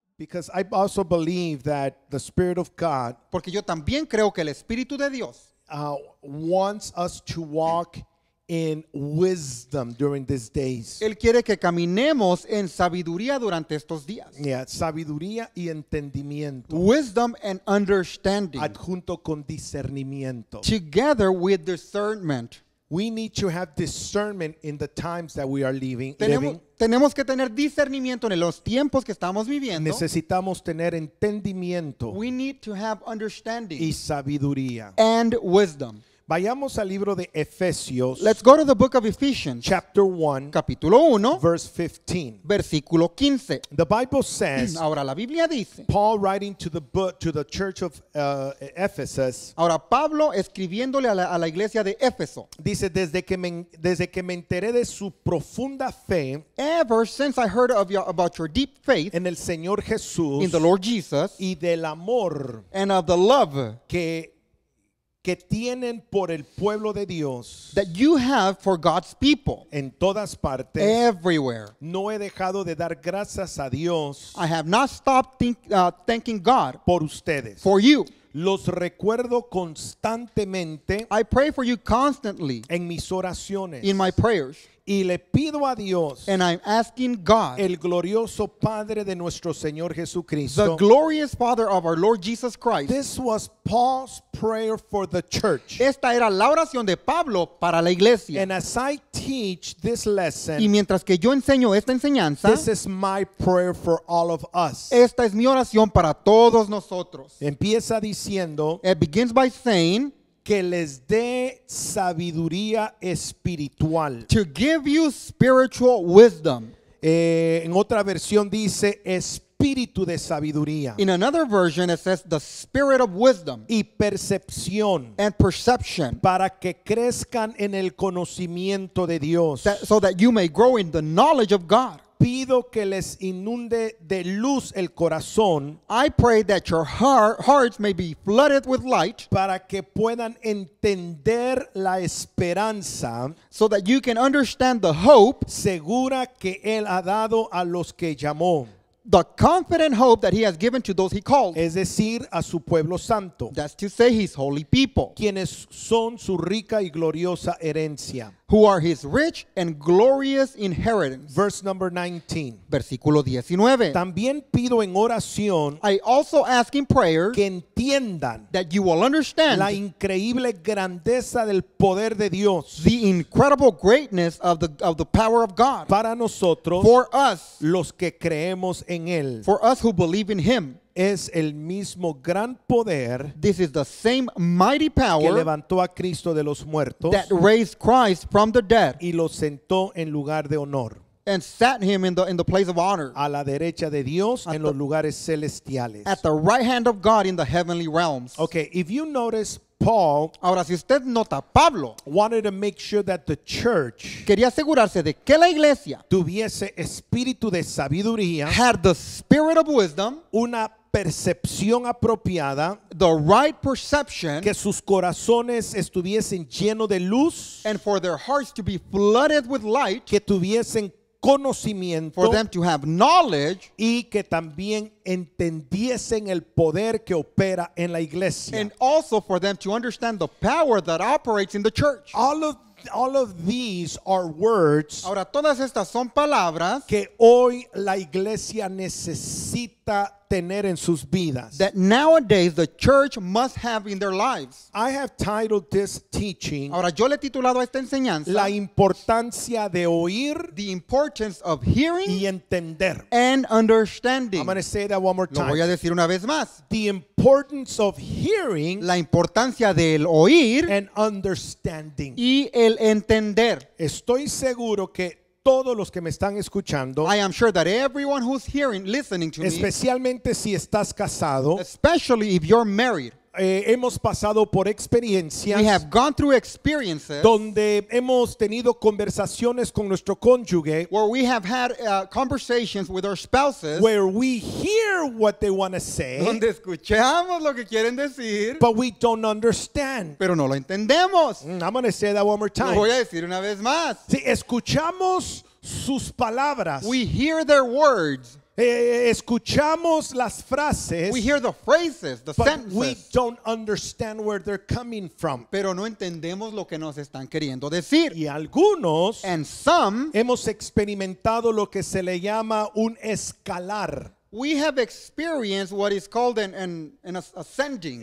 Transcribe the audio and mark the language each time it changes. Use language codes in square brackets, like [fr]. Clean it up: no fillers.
[en] Because I also believe that the Spirit of God, [es] porque yo también creo que el Espíritu de Dios, [en] wants us to walk in wisdom during these days. [es] Él quiere que caminemos en sabiduría durante estos días. Yeah, sabiduría y entendimiento. [en] Wisdom and understanding. [es] Adjunto con discernimiento. [en] Together with discernment. We need to have discernment in the times that we are living. [es] Tenemos que tener discernimiento en los tiempos que estamos viviendo. Necesitamos tener entendimiento. [en] We need to have understanding. [es] Y sabiduría. [en] And wisdom. [es] Vayamos al libro de Efesios. [en] Let's go to the book of Ephesians. Chapter 1. [es] Capítulo 1. [en] Verse 15. [es] Versículo 15. [en] The Bible says. [es] Ahora la Biblia dice. [en] Paul writing to the book, to the church of Ephesus. [es] Ahora Pablo escribiéndole a la iglesia de Éfeso. Dice, desde que me enteré de su profunda fe. [en] Ever since I heard about your deep faith. [es] En el Señor Jesús. [en] In the Lord Jesus. [es] Y del amor. [en] And of the love. [es] Que tienen por el pueblo de Dios. [en] That you have for God's people. [es] En todas partes. [en] Everywhere. [es] No he dejado de dar gracias a Dios. [en] I have not stopped thanking God. [es] Por ustedes. [en] For you. [es] Los recuerdo constantemente. [en] I pray for you constantly. [es] En mis oraciones. [en] In my prayers. [es] Y le pido a Dios. [en] And I'm asking God. [es] El glorioso Padre de nuestro Señor Jesucristo. [en] The glorious Father of our Lord Jesus Christ. This was Paul's prayer for the church. [es] Esta era la oración de Pablo para la iglesia. [en] And as I teach this lesson. [es] Y mientras que yo enseño esta enseñanza. [en] This is my prayer for all of us. [es] Esta es mi oración para todos nosotros. Empieza diciendo. [en] It begins by saying. [es] Que les dé sabiduría espiritual. [en] To give you spiritual wisdom. [es] En otra versión dice espíritu de sabiduría. [en] In another version it says the spirit of wisdom. [es] Y percepción. [en] And perception. [es] Para que crezcan en el conocimiento de Dios. [en] So that you may grow in the knowledge of God. [es] Pido que les inunde de luz el corazón. [en] I pray that your hearts may be flooded with light. [es] Para que puedan entender la esperanza. [en] So that you can understand the hope. [es] Segura que él ha dado a los que llamó. [en] The confident hope that he has given to those he called. [es] Es decir, a su pueblo santo. [en] That's to say his holy people. [es] Quienes son su rica y gloriosa herencia. [en] Who are his rich and glorious inheritance. Verse number 19. [es] Versículo 19. También pido en oración. [en] I also ask in prayer. [es] Que entiendan. [en] That you will understand. [es] La increíble grandeza del poder de Dios. [en] The incredible greatness of the power of God. [es] Para nosotros. [en] For us. [es] Los que creemos en él. [en] For us who believe in him. [es] Es el mismo gran poder. [en] This is the same mighty power [es] que levantó a Cristo de los muertos. [en] That raised Christ from the dead. [es] Y lo sentó en lugar de honor. [en] And sat him in the place of honor. [es] A la derecha de Dios en los lugares celestiales. [en] At the right hand of God in the heavenly realms. Okay, if you notice, Paul. [es] Ahora si usted nota, Pablo [en] wanted to make sure that the church [es] quería asegurarse de que la iglesia tuviese espíritu de sabiduría, [en] had the spirit of wisdom, [es] una percepción apropiada, [en] the right perception, [es] que sus corazones estuviesen llenos de luz, [en] and for their hearts to be flooded with light, [es] que tuviesen conocimiento, [en] for them to have knowledge, [es] y que también entendiesen el poder que opera en la iglesia, [en] and also for them to understand the power that operates in the church. All of these are words. [es] Ahora todas estas son palabras que hoy la iglesia necesita tener en sus vidas. [en] That nowadays the church must have in their lives. I have titled this teaching. [es] Ahora yo le he titulado esta enseñanza. La importancia de oír. [en] The importance of hearing. [es] Y entender. [en] And understanding. I'm going to say that one more time. [es] Lo voy a decir una vez más. [en] The importance of hearing. [es] La importancia del oír. [en] And understanding. [es] Y el entender. Estoy seguro que todos los que me están escuchando, [en] I am sure that everyone who's hearing, listening to me, [es] especialmente si estás casado, [en] especially if you're married, [es] hemos pasado por experiencias, [en] we have gone through experiences, [es] donde hemos tenido conversaciones con nuestro cónyuge, [en] where we have had conversations with our spouses, where we hear what they want to say, [es] donde escuchamos lo que quieren decir, [en] but we don't understand, [es] pero no lo entendemos. [en] I'm going to say that one more time. [es] Lo voy a decir una vez más. Si escuchamos sus palabras, [en] we hear their words, [es] Escuchamos las frases, [en] we hear the phrases, the but sentences, we don't understand where they're coming from. [es] Pero no entendemos lo que nos están queriendo decir. Y algunos, [en] and some, [es] hemos experimentado lo que se le llama un escalar. [en] We have experienced what is called an ascending.